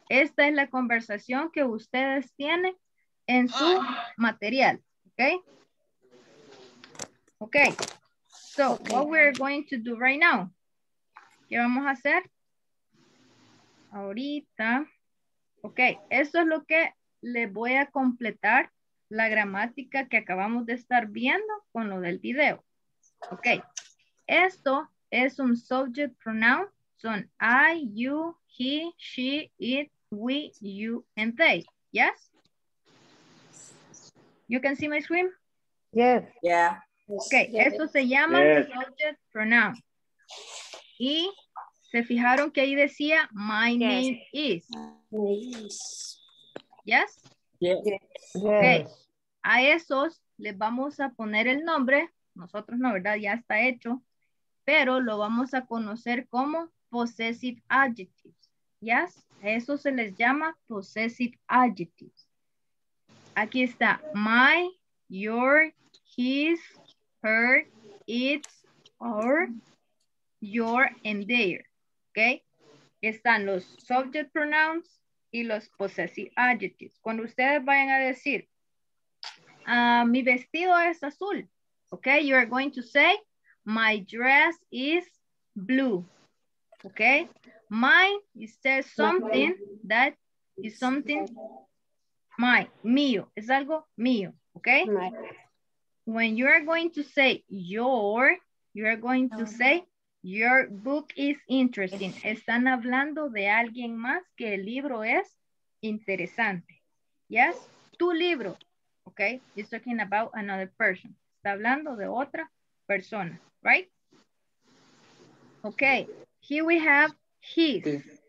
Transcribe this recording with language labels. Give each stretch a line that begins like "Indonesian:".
Spanish: Esta es la conversación que ustedes tienen en su material. ¿Ok? Ok.
English: So, what we're going to do right now?
Spanish: ¿Qué vamos a hacer? Ahorita. Ok, esto es lo que le voy a completar la gramática que acabamos de estar viendo con lo del video. Ok, esto es un subject pronoun.
English: Son I, you, he, she, it, we, you, and they. Yes? You can see my screen? Yes. Yeah.
Spanish: Ok, esto se llama subject pronoun. Y se fijaron que ahí decía
English: my name is. Yes? Yes.
Spanish: Ok, a esos les vamos a poner el nombre. Nosotros no, ¿verdad? Ya está hecho. Pero lo vamos a conocer como possessive adjectives. ¿Yes? Eso se les llama possessive adjectives. Aquí está.
English: My, your, his, her, its, our, your, and their.
Spanish: ¿Ok? Están los subject pronouns y los possessive adjectives. Cuando ustedes vayan a decir, mi vestido es azul.
English: Okay, you are going to say, my dress is blue. Okay, mine is something that is something mine,
Spanish: mío, es algo mío.
English: Okay, when you are going to say your, you are going to say, your book is interesting.
Spanish: Están hablando de alguien más que el libro es interesante.
English: Yes,
Spanish: tu libro.
English: Okay, he's talking about another person.
Spanish: Está hablando de otra persona,
English: right? Okay, here we have his.